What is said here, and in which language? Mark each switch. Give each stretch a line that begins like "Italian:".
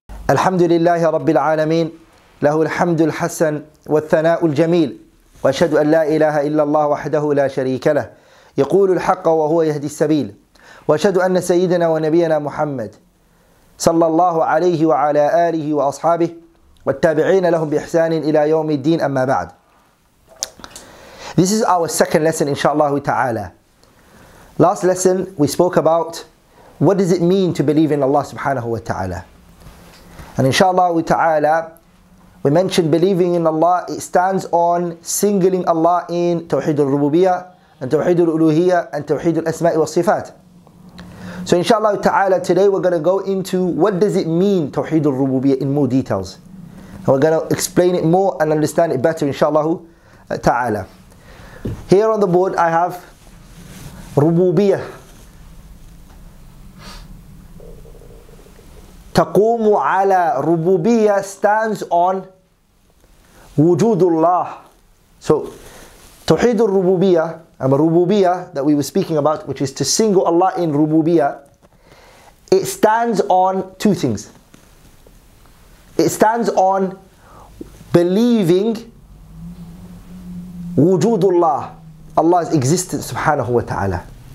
Arabic: الحمد لله رب العالمين، له الحمد الحسن والثناء الجميل، وأشهد أن لا إله إلا الله وحده لا شريك له، يقول الحق وهو يهدي السبيل، وأشهد أن سيدنا ونبينا محمد صلى الله عليه وعلى آله وأصحابه والتابعين لهم بإحسان إلى يوم الدين، أما بعد.
English: This is our second lesson inshallah ta'ala. Last lesson we spoke about what does it mean to believe in Allah subhanahu wa ta'ala. And inshallah ta'ala we mentioned believing in Allah, it stands on singling Allah in Tawheed al-Rububiyyah and Tawheed al-Uluhiyyah and Tawheed al-Asma' wa-Sifat. So inshallah ta'ala today we're going to go into what does it mean Tawheed al-Rububiyyah in more details. And we're going to explain it more and understand it better inshallah ta'ala. Here on the board I have Rububiyyah.
Arabic: تَقُومُ عَلَى رُبُوبِيَّةِ
English: stands on
Arabic: وُجُودُ اللَّهِ.
English: So, تُحِيدُ الرُّبُوبِيَّةِ and رُبُوبِيَّةِ that we were speaking about, which is to single Allah in رُبُوبِيَّةِ, it stands on two things. It stands on believing
Arabic: وُجُودُ اللَّهِ,
English: Allah's existence, subhanahu wa ta'ala.